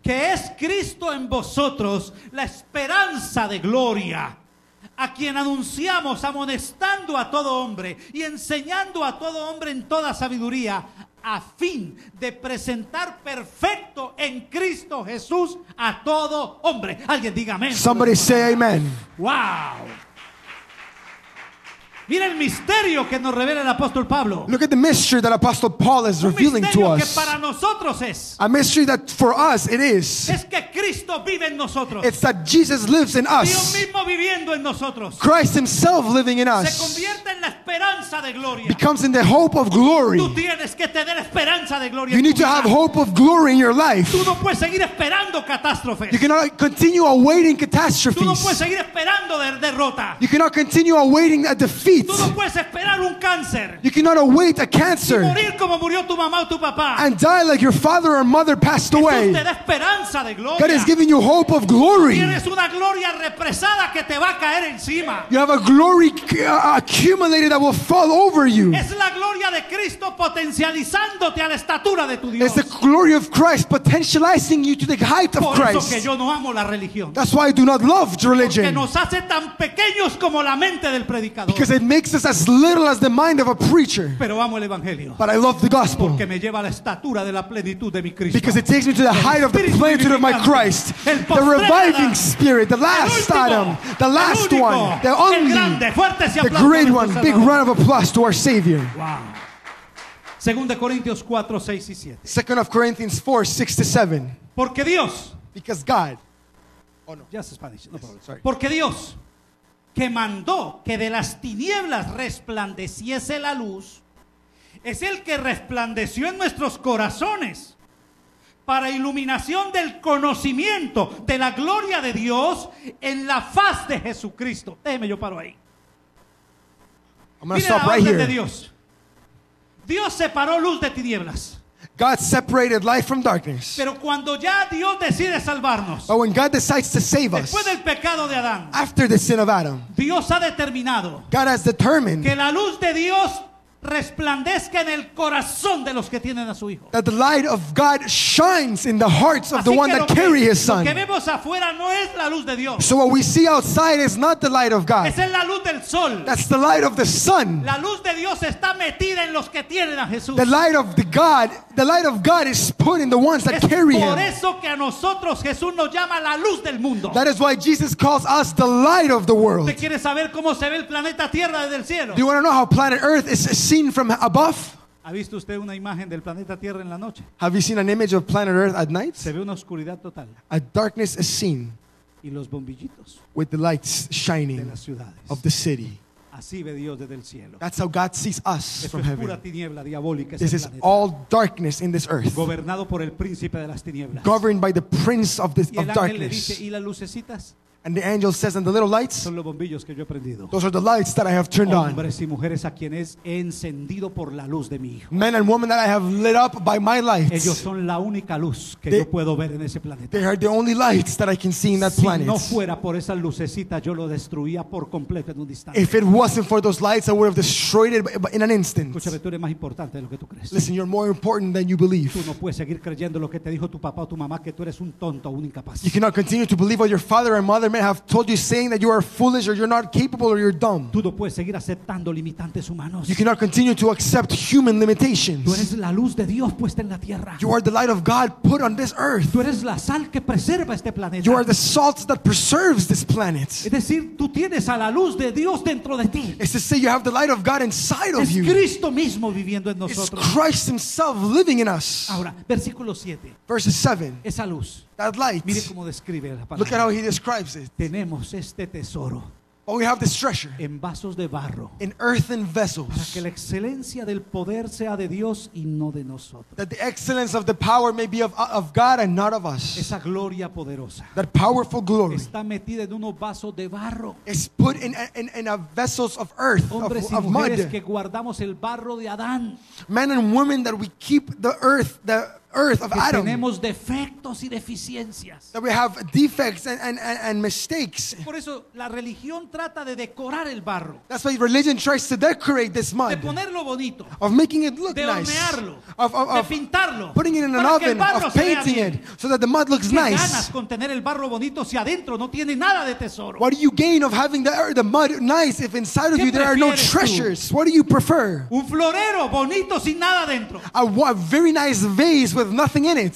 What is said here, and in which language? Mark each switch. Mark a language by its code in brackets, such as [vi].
[es] Que es Cristo en vosotros, la esperanza de gloria, a quien anunciamos amonestando a todo hombre y enseñando a todo hombre en toda sabiduría, a fin de presentar perfecto en Cristo Jesús a todo hombre. Alguien diga amén. [en] Somebody say amen. Wow. [es] Mira el misterio que nos revela el apóstol Pablo. [en] Look at the mystery that Apostle Paul is revealing to us. [es] Un misterio que para nosotros es. [en] A mystery that for us it is. [es] Es que Cristo vive en nosotros. [en] It's that Jesus lives in us. [es] Dios mismo viviendo en nosotros. [en] Christ himself living in us. [es] Se convierte en la esperanza de gloria. [en] Becomes in the hope of glory. [es] Tú tienes que tener esperanza de gloria. [en] You need to have hope of glory in your life. [es] Tú no puedes seguir esperando catástrofes. [en] You cannot continue awaiting catastrophes. [es] Tú no puedes seguir esperando derrota. [en] You cannot continue awaiting a defeat. [es] Tú no puedes esperar un cáncer. [en] You cannot await a cancer. [es] Y morir como murió tu mamá o tu papá. [en] And die like your father or mother passed away. [es] Jesús te da esperanza de gloria. [en] God is giving you hope of glory. [es] Tienes una gloria represada que te va a caer encima. [en] You have a glory accumulated that will fall over you. [es] Es la gloria de Cristo potencializándote a la estatura de tu Dios. [en] It's the glory of Christ potentializing you to the height of Christ. [es] Por eso que yo no amo la religión. [en] That's why I do not love religion. [es] Porque nos hace tan pequeños como la mente del predicador. [en] Because it makes us as little as the mind of a preacher. [es] Pero amo el evangelio. [en] But I love the gospel. [es] Porque me lleva a la estatura de la plenitud de mi Cristo. [en] Because it takes me to the height of the plenitude of my Christ. [es] El [en] the reviving spirit, the last [es] último, [en] item, the last [es] único, [en] one, the only, [es] grande, fuerte, si [en] the great one, big [es] salvador. [en] Round of applause to our Savior. Wow. 2 Corinthians 4, 6 y 7. Second of Corinthians 4, 6 to 7. [es] Porque Dios. [en] Because God. Oh no. Just Spanish. No problem. Sorry. [es] Porque Dios, que mandó que de las tinieblas resplandeciese la luz, es el que resplandeció en nuestros corazones para iluminación del conocimiento de la gloria de Dios en la faz de Jesucristo. Déjeme, yo paro ahí. [en] I'm gonna stop right here. [es] Dios separó luz de tinieblas. [en] God separated light from darkness. [es] Pero cuando ya Dios decide salvarnos, [en] but when God decides to save us, [es] después del pecado de Adán, [en] after the sin of Adam, [es] Dios ha determinado, [en] God has determined, [es] que la luz de Dios resplandezca en el corazón de los que tienen a su hijo. [en] That the light of God shines in the hearts of [es] así [en] the one [es] que [en] that carry his son. [es] Lo que vemos afuera no es la luz de Dios. [en] So what we see outside is not the light of God. [es] Es la luz del sol. [en] That's the light of the sun. [es] La luz de Dios está metida en los que tienen a Jesús. [en] The light of God is put in the ones that [es] es [en] carry him. [es] Por eso que a nosotros Jesús nos llama la luz del mundo. [en] That is why Jesus calls us the light of the world. [es] ¿Usted quiere saber cómo se ve el planeta Tierra desde el cielo? [en] Do you want to know how planet Earth is seen from above? [es] ¿Ha visto usted una imagen del planeta Tierra en la noche? [en] Have you seen an image of planet Earth at night? [es] Se ve una oscuridad total. [en] A darkness is seen. [es] Y los bombillitos. [en] With the lights shining. [es] De las ciudades. [en] Of the city. [es] Así ve Dios desde el cielo. [en] That's how God sees us [es] Esto [en] from [es] es [en] heaven. [es] Pura tiniebla diabólica. [en] This is all darkness in this earth. [es] Gobernado por el príncipe de las tinieblas. [en] Governed by the prince of this [es] y el ángel [en] of darkness. [es] Le dice, ¿y las lucecitas? [en] And the angel says, and the little lights, [es] son los bombillos que yo he prendido. [en] Those are the lights that I have turned on. [es] Hombres y mujeres a quienes he encendido por la luz de mi hijo. [en] Men and women that I have lit up by my lights. [es] Ellos son la única luz que yo puedo ver en ese planeta. [en] They are the only lights that I can see in that [es] si [en] planet. [es] Si no fuera por esas lucecitas, yo lo destruía por completo en un instante. [en] If it wasn't for those lights, I would have destroyed it in an instant. [es] Escúchame, tú eres más importante de lo que tú crees. [en] Listen, you're more important than you believe. [es] Tú no puedes seguir creyendo lo que te dijo tu papá o tu mamá, que tú eres un tonto o un incapaz. [en] You cannot continue to believe what your father and mother have told you, saying that you are foolish or you're not capable or you're dumb. [es] Tú no puedes seguir aceptando limitantes humanos. [en] You cannot continue to accept human limitations. [es] Tú eres la luz de Dios puesta en la tierra. [en] You are the light of God put on this earth. [es] Tú eres la sal que preserva este planeta. [en] You are the salt that preserves this planet. [es] Es decir, tú tienes a la luz de Dios dentro de ti. [en] It's to say you have the light of God inside of you. [es] Es Cristo mismo viviendo en nosotros. [en] It's Christ himself living in us. [es] Ahora, versículo 7. [en] Verse 7. [es] Esa luz. [en] That light. [es] Mire cómo describe la palabra. [en] Look at how he describes it. [es] Tenemos este tesoro. [en] Oh, we have this treasure. [es] En vasos de barro. [en] In earthen vessels. [es] Para que la excelencia del poder sea de Dios y no de nosotros. [en] That the excellence of the power may be of God and not of us. [es] Esa gloria poderosa. [en] That powerful glory. [es] Está metida en unos vasos de barro. [en] Is put in a vessels of earth. [es] Hombres [en] of [es] y mujeres [en] mud. [es] Que guardamos el barro de Adán. [en] Men and women that we keep the earth, the earth of Adam. [es] Tenemos defectos y deficiencias. [en] That we have defects and mistakes. [es] Por eso la religión trata de decorar el barro. [en] That's why religion tries to decorate this mud. [es] De ponerlo bonito. [en] Of making it look [es] de [en] nice. [es] De hornearlo. [en] Of [es] de pintarlo. [en] Putting it in an oven. Of painting it so that the mud looks nice. [es] ¿Qué ganas con tener el barro bonito si adentro no tiene nada de tesoro? [en] What do you gain of having the mud nice if inside of you there are no treasures? [es] Tú? [en] What do you prefer? [es] Un florero bonito sin nada dentro. [en] A very nice vase with nothing in it.